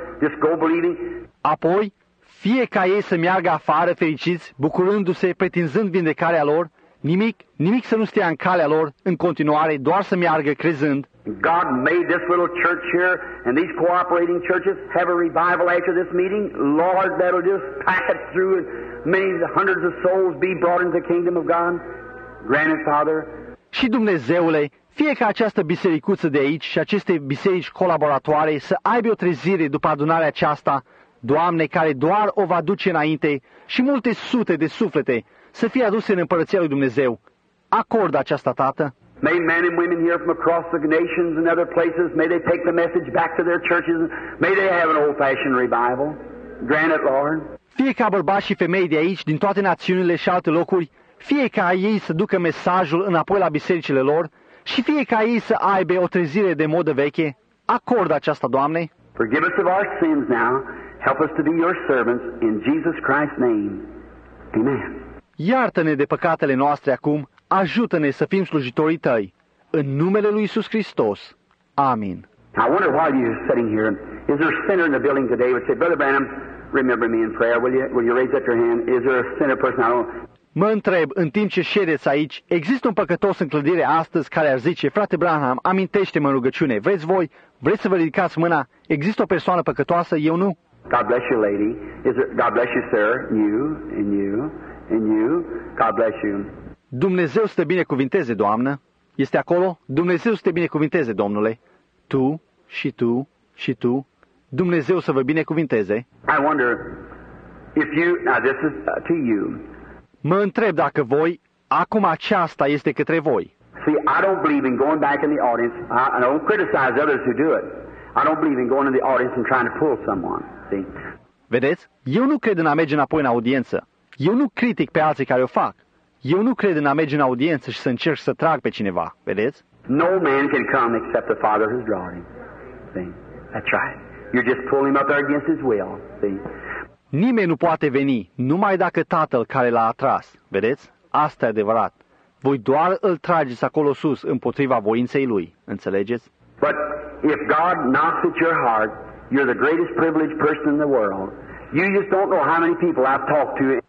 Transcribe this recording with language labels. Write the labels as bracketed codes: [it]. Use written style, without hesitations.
[en] Just go believing. [ro] Apoi, fie ca ei să meargă afară fericiți, bucurându-se, pretinzând vindecarea lor, nimic să nu stea în calea lor în continuare, doar să meargă crezând. [en] God made this little church here and these cooperating churches have a revival after this meeting. Lord, that'll just pass through and many hundreds of souls be brought into the kingdom of God. Grant it, Father. [ro] Și Dumnezeule, fie ca această bisericuță de aici și aceste biserici colaboratoare să aibă o trezire după adunarea aceasta, Doamne, care doar o va duce înainte și multe sute de suflete să fie aduse în împărăția lui Dumnezeu. Acord aceasta, Tată. [en] May men and women here from across the nations and other places, may they take the message back to their churches, may they have an old-fashioned revival. Grant it, Lord. [ro] Fie ca bărbați și femei de aici, din toate națiunile și alte locuri, fie ca ei să ducă mesajul înapoi la bisericile lor și fie ca ei să aibă o trezire de modă veche, acord aceasta, Doamne. [en] Forgive us of our sins now. Help us to be your servants in Jesus Christ's name. Amen. [ro] Iartă-ne de păcatele noastre acum. Ajută-ne să fim slujitorii tăi. În numele lui Iisus Hristos. Amin. [en] I wonder why you're sitting here. Is there a sinner in the building today who would say, Brother Branham, remember me in prayer, will you? Will you raise up your hand? Is there a sinner person? I don't... [ro] Mă întreb, în timp ce ședeți aici, există un păcătos în clădire astăzi care ar zice, Frate Branham, amintește-mă în rugăciune. Vreți voi? Vreți să vă ridicați mâna? Există o persoană păcătoasă? Eu nu. [en] God bless you, lady. Is there, God bless you, sir. You and you and you. God bless you. [ro] Dumnezeu să te binecuvinteze, doamnă. Este acolo? Dumnezeu să te binecuvinteze, domnule. Tu și tu și tu. Dumnezeu să vă binecuvinteze. [en] I wonder if you... Now, this is to you. [ro] Mă întreb dacă voi... Acum aceasta este către voi. [en] See, I don't believe in going back in the audience. I don't criticize others who do it. I don't believe in going in the audience and trying to pull someone. [ro] Vedeți? Eu nu cred în a merge înapoi în audiență. Eu nu critic pe alții care o fac. Eu nu cred în a merge în audiență și să încerc să trag pe cineva. Vedeți? [en] No man can come except the Father who's drawing him. See? That's right. You just pull him up there against his will. See? [ro] Nimeni nu poate veni numai dacă Tatăl care l-a atras. Vedeți? Asta e adevărat. Voi doar îl trageți acolo sus împotriva voinței lui. Înțelegeți? [en] But if God knocks at your heart, you're the greatest privileged person in the world. You just don't know how many people I've talked to.